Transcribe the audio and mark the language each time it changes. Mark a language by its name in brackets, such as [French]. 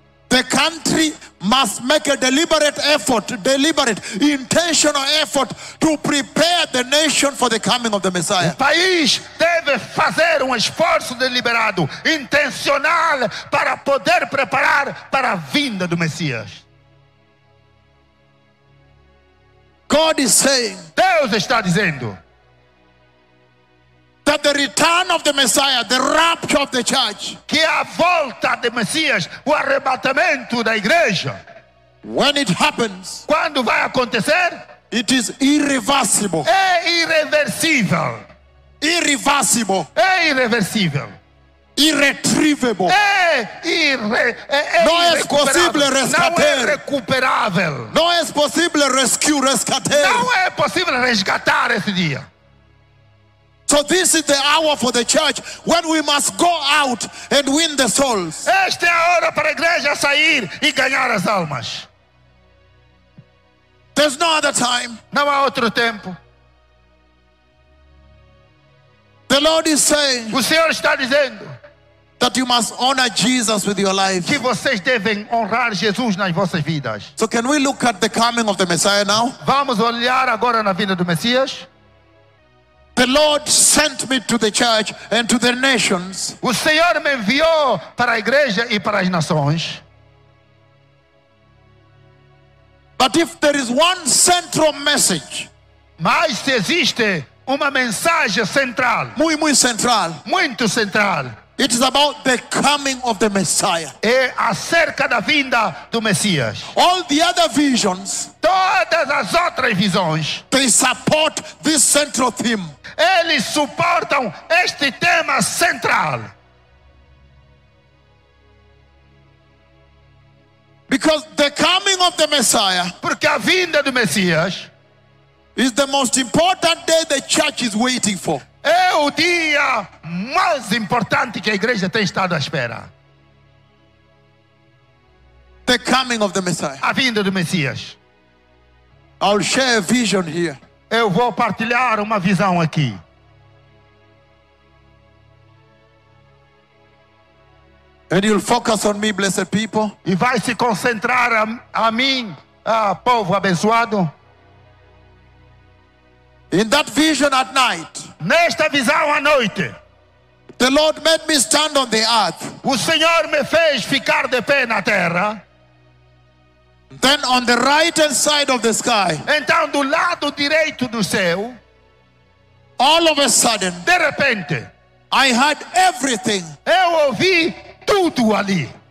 [English] The country must make a deliberate effort, intentional effort to prepare the nation for the coming of the Messiah. [Portuguese] O país deve fazer esforço deliberado, intencional, para poder preparar para a vinda do Messias. [English] God is saying. [Portuguese] Deus está dizendo. [English] That the return of the Messiah, the rapture of the church. [Portuguese] Que a volta do Messias, o arrebatamento da igreja. [English] When it happens. [Portuguese] Quando vai acontecer. [English] It is irreversible. [Portuguese] É irreversível. [English] Irreversible. [Portuguese] É irreversível. [English] Irretrievable. [Portuguese] É irrecuperável. Não é recuperável. Não é possível rescue, rescatar. Não é possível resgatar esse dia. [English] So this is the hour for the church when we must go out and win the souls. [Portuguese] Esta é a hora para a igreja sair e ganhar as almas. [English] There's no other time. [Portuguese] Não há outro tempo. [English] The Lord is saying. [Portuguese] O Senhor está dizendo. [English] That you must honor Jesus with your life. [Portuguese] Que vocês devem honrar Jesus nas vossas vidas. [English] So can we look at the coming of the Messiah now? [Portuguese] Vamos olhar agora na vinda do Messias. [English] The Lord sent me to the church and to the nations. [Portuguese] O Senhor me enviou para a igreja e para as nações. [English] But if there is one central message, [Portuguese] mas se existe uma mensagem central, muito, muito central, muito central, [English] it is about the coming of the Messiah. [Portuguese] É acerca da vinda do Messias. [English] All the other visions, [Portuguese] todas as outras visões, [English] they support this central theme. [Portuguese] Eles suportam este tema central. [English] Because the coming of the Messiah, [Portuguese] porque a vinda do Messias, [English] is the most important day the church is waiting for. [Portuguese] É o dia mais importante que a igreja tem estado à espera. [English] The coming of the Messiah. [Portuguese] A vinda do Messias. [English] I'll share a vision here. [Portuguese] Eu vou partilhar uma visão aqui. [English] And you'll focus on me, blessed people. [Portuguese] E vai se concentrar a mim, a povo abençoado. [English] In that vision at night. [Portuguese] Nesta visão à noite. [English] The Lord made me stand on the earth. [Portuguese] O Senhor me fez ficar de pé na terra. [English] Then on the right hand side of the sky. [Portuguese] Então do lado direito do céu. [English] All of a sudden. [Portuguese] De repente. [English] I heard everything. [Portuguese] Eu ouvi tudo ali.